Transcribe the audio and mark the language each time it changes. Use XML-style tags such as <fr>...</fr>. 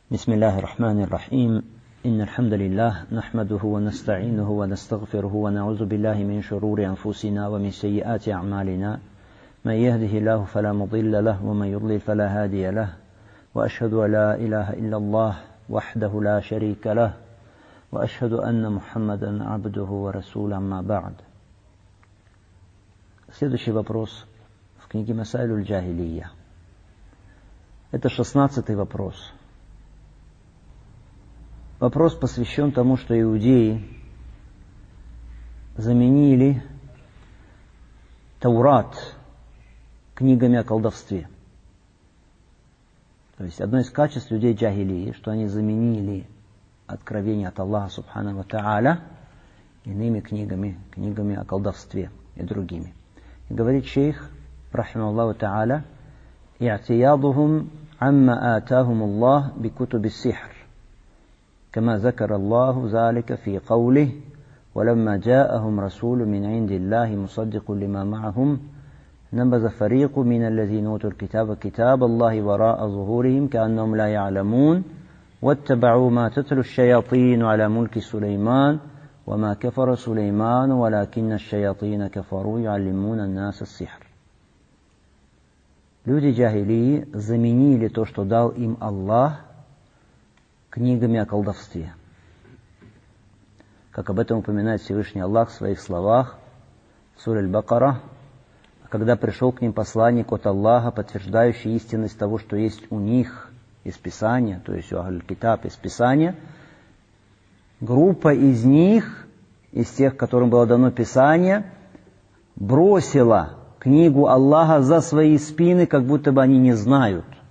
<ar>بسم الله الرحمن الرحيم إن الحمد لله نحمده ونستعينه ونستغفره ونعوذ بالله من شرور أنفسنا ومن سيئات أعمالنا من يهده الله فلا مضل له ومن يضلل فلا هادي له وأشهد لا إله إلا الله وحده لا شريك له وأشهد أن محمدا عبده ورسوله ما بعد</ar> <ru>Следующий вопрос в книге Масаил аль-Джахилия. Это 16-й вопрос. Вопрос посвящен тому, что иудеи заменили Таурат книгами о колдовстве. То есть одно из качеств людей джахилии, что они заменили откровение от Аллаха Субхана ва Тааля иными книгами, книгами о колдовстве и другими. И говорит шейх, рахима Аллаху Тааля, «Иатиядухум амма атахум Аллах бикутуби сихр».</ru> <ar>كما ذكر الله ذلك في قوله ولما جاءهم رسول من عند الله مصدق لما معهم نبذ فريق من الذين أوتوا الكتاب كتاب الله وراء ظهورهم كأنهم لا يعلمون واتبعوا ما تتلو الشياطين على ملك سليمان وما كفر سليمان ولكن الشياطين كفروا يعلمون الناس السحر.</ar> <ru>Люди جاهلي заменили то, что дал им Аллах, книгами о колдовстве. Как об этом упоминает Всевышний Аллах в своих словах, сура Аль-Бакара, когда пришел к ним посланник от Аллаха, подтверждающий истинность того, что есть у них из Писания, то есть у Ахль-Китаб из Писания, группа из них, из тех, которым было дано Писание, бросила книгу Аллаха за свои спины, как будто бы они не знают.</ru>